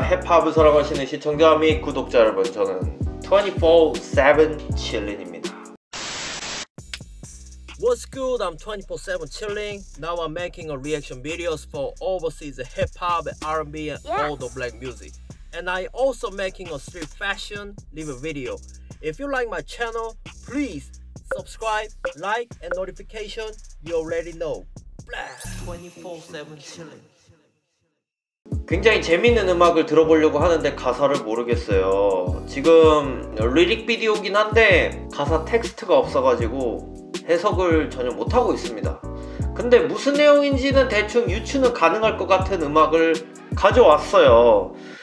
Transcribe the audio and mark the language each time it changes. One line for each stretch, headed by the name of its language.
Korean: 힙합을 사랑하시는 시청자 및 구독자 여러분, 저는 24/7 chilling입니다.
English: What's good? I'm 24/7 chilling. Now I'm making a reaction videos for overseas hip-hop, R&B, and all the black music. And I also making a street fashion live video. If you like my channel, please subscribe, like, and notification. You already know. Blast.
Korean: 굉장히 재밌는 음악을 들어보려고 하는데 가사를 모르겠어요. 지금 리릭 비디오긴 한데 가사 텍스트가 없어가지고 해석을 전혀 못하고 있습니다. 근데 무슨 내용인지는 대충 유추는 가능할 것 같은 음악을 가져왔어요.